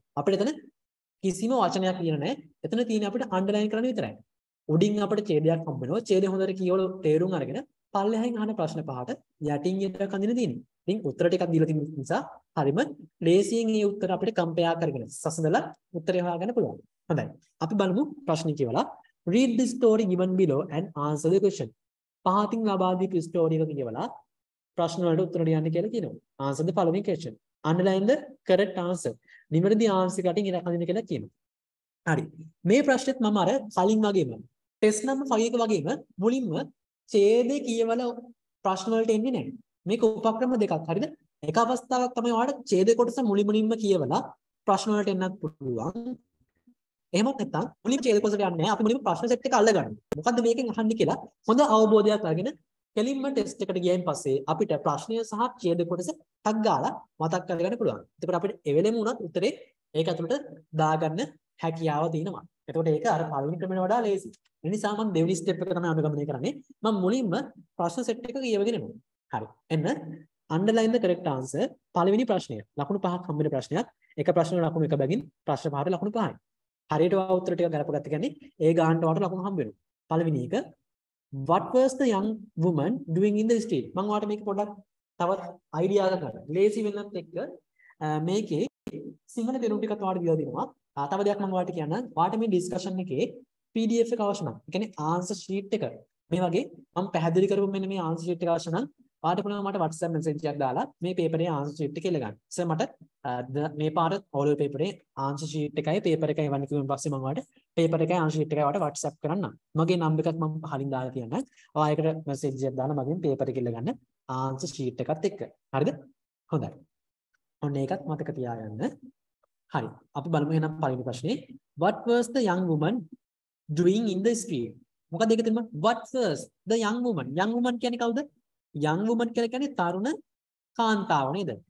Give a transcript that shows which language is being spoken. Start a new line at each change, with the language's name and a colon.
Sinhala: අපිට එතන කිසිම වචනයක් කියන නැහැ. එතන තියෙන්නේ අපිට අන්ඩර්ලයින් කරන්න විතරයි. උඩින් අපිට ඡේදයක් හම්බ වෙනවා. ඡේදය හොඳට කියවල තේරුම් අරගෙන පල්ලෙහායින් අහන ප්‍රශ්න පහට යටින් යට කඳින දිනේ. ඉතින් උත්තර ටිකක් දීලා තියෙන නිසා හරිම ලේසියෙන් මේ උත්තර අපිට කම්පයා කරගෙන සසඳලා උත්තරය හොයාගන්න පුළුවන්. හොඳයි. අපි බලමු ප්‍රශ්නේ කියවලා.
English: Read the story given below and answer the question.
Sinhala: පහතින් ලබා දී ස්ටෝරි එක කියවලා ප්‍රශ්න වලට උත්තර ලියන්න කියලා කියනවා.
English: Answer the following question. Underline the correct answer.
Sinhala: නිවැරදි answer කටින් ඉර කඳින කියලා කියනවා. හරි. මේ ප්‍රශ්නෙත් මම අර කලින් වගේම test number 5 එක වගේම මුලින්ම ඡේදය කියවල ප්‍රශ්න වලට එන්නේ නැහැ. මේක උපක්‍රම දෙකක්. හරිද? එක අවස්ථාවක් තමයි ඔයාලට ඡේදය කොටස මුලින් මුලින්ම කියවලා ප්‍රශ්න වලට එන්නත් පුළුවන්. එහෙමත් නැත්නම් මුලින් ඡේදය කොටස යන්නේ නැහැ. අපි මුලින්ම ප්‍රශ්න සෙට් එක අල්ලගන්න. මොකද්ද මේකෙන් අහන්නේ කියලා හොඳ අවබෝධයක් අරගෙන කලින්ම ටෙස්ට් එකට ගියයින් පස්සේ අපිට ප්‍රශ්නය සහ ඡේද කොටස ටක් ගාලා මතක් කරගන්න පුළුවන්. එතකොට අපිට එවෙලෙම උනත් උත්තරේ ඒක ඇතුළට දාගන්න හැකියාව තියෙනවා. එතකොට ඒක අර පළවෙනි ක්‍රමෙන වඩා ලේසි. ඒ නිසා මම දෙවෙනි ස්ටෙප් එක තමයි අනුගමනය කරන්නේ. මම මුලින්ම ප්‍රශ්න සෙට් එක කියවගෙන යමු. හරි. එන්න
English: underline the correct answer.
Sinhala: පළවෙනි ප්‍රශ්නය. ලකුණු පහක් හම්බෙන ප්‍රශ්නයක්. එක ප්‍රශ්න ලකුණු එක බැගින් ප්‍රශ්න පහට ලකුණු පහයි. හරියට වා උත්තර ටික ගලපගත්ත කියන්නේ ඒ ගානට වට ලකුණු හම්බ වෙනවා. පළවෙනි එක
English: What was the young woman doing in the street?
Sinhala: මම ඔයාලට මේක පොඩ්ඩක් තවත් අයිඩියා එකක් ගන්න. ලේසි වෙන්නත් එක්ක මේකේ සිංහල දෙරුම් ටිකක් ඔයාලට දීලා දෙනවා. තව දෙයක් මම ඔයාලට කියන්නම්. ඔයාලට මේ discussion එකේ PDF එක අවශ්‍ය නැහැ. ඒ කියන්නේ answer sheet එක. මේ වගේ මම පැහැදිලි කරපු මෙන්න මේ answer sheet එක අවශ්‍ය නම් ඔයාලට පුළුවන් මට WhatsApp message එකක් දාලා මේ paper එකේ answer sheet එක ඉල්ලගන්න. සර් මට මේ පාර oral paper එකේ answer sheet එකයි paper එකයි එවන්න කිව්වන් පස්සේ මම ඔයාලට paper එකයි answer sheet එකයි ඔයාලට WhatsApp කරන්නම්. මගේ number එකක් මම කලින් දාලා තියෙනවා. ඔයා ඒකට message එකක් දාලා මගෙන් paper එක ඉල්ලගන්න answer sheet එකත් එක්ක. හරිද? හොඳයි. ඔන්න ඒකත් මතක තියාගන්න. හරි. අපි බලමු එහෙනම් පළවෙනි ප්‍රශ්නේ.
English: What was the young woman doing in the street?
Sinhala: මොකද ඒක තේරුම?
English: What was the young woman?
Sinhala: Young woman කියන්නේ කවුද? Young woman කියලා කියන්නේ තරුණ කාන්තාව නේද?